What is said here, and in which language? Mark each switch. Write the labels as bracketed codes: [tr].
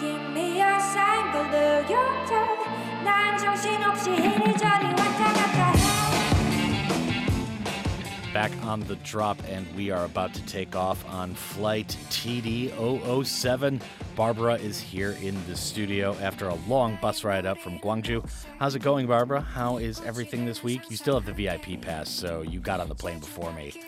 [en] Give me a sign, go to your turn. [ko] 난 정신없이 이리저리 왔다 갔다. [en] Back on the drop, and we are about to take off on flight TD-007. Barbara is here in the studio after a long bus ride up from Guangzhou. How's it going, Barbara? How is everything this week? You still have the VIP pass, so you got on the plane before me.